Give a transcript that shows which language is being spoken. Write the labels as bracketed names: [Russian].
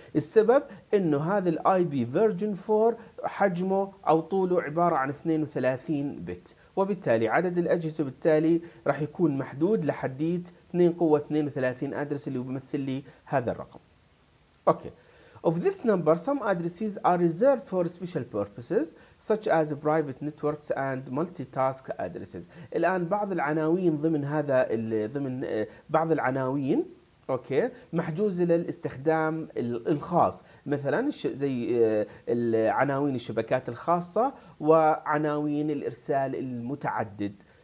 [Arabic] السبب إنه هذا الاي بي version 4 حجمه أو طوله عبارة عن 32 بت, وبالتالي عدد الأجهزة بالتالي راح يكون محدود لحديد 2 قوة 32 أدرس اللي بيمثل لي هذا الرقم. أوكي [English] Of this number, some addresses are reserved for special purposes, such as private networks and multitask addresses. [Arabic] الآن بعض العناوين ضمن هذا ضمن بعض العناوين اوكي محجوزه للاستخدام الخاص، مثلا زي عناوين الشبكات الخاصه وعناوين الارسال المتعدد.